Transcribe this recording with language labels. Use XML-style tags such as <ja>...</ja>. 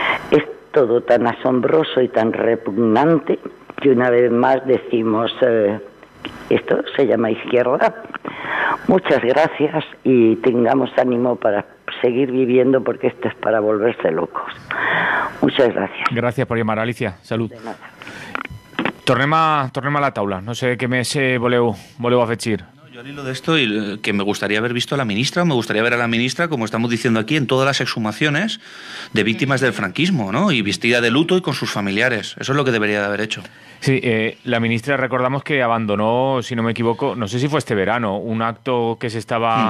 <es>Es todo tan asombroso y tan repugnante que una vez más decimos, esto se llama izquierda. Muchas gracias y tengamos ánimo para seguir viviendo, porque esto es para volverse locos. Muchas gracias. Gracias por llamar, Alicia. Salud. De nada.</es> <ca>Tornem a la taula. No sé què més voleu afegir.</ca> <es>Yo al hilo de esto, y que me gustaría haber visto a la ministra, me gustaría ver a la ministra, como estamos diciendo aquí, en todas las exhumaciones de víctimas del franquismo, ¿no? Y vestida de luto y con sus familiares. Eso es lo que debería de haber hecho. Sí, la ministra, recordamos que abandonó, si no me equivoco, no sé si fue este verano, un acto que se estaba...</es>